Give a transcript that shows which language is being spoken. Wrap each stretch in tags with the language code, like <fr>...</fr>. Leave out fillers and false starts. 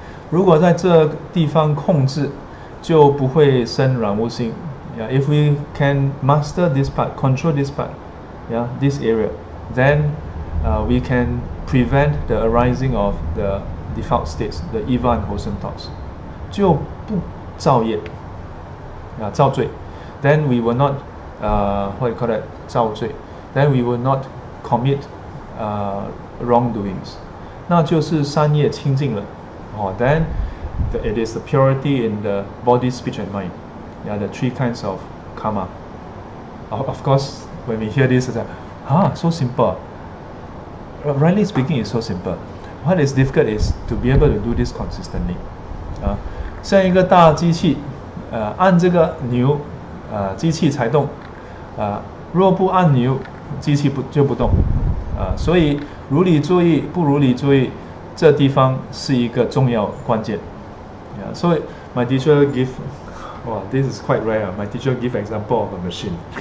<zh>如果在这地方控制, 就不会生染污心.</zh> <en>Yeah, if we can master this part, control this part, yeah, this area, then we can prevent the arising of the default states, the evil and wholesome thoughts.</en> <zh>就不造业,</zh> <en>yeah,</en> <zh>造罪,</zh> <en>then we will not, what you call that, 造罪, then we will not commit wrongdoings.</en> <zh>那就是三业清净了,</zh> <en>oh, then it is the purity in the body, speech and mind. Yeah, the three kinds of karma. Of course, when we hear this, it's like, so simple. Rightly speaking, it's so simple. What is difficult is to be able to do this consistently.</en> <zh>像一个大机器, 按这个钮, 机器才动, 若不按钮, 机器就不动. 所以如理注意, 不如理注意, 这地方是一个重要关键.</zh> <en>Yeah, so my teacher give, this is quite rare. My teacher give example of a machine.</en>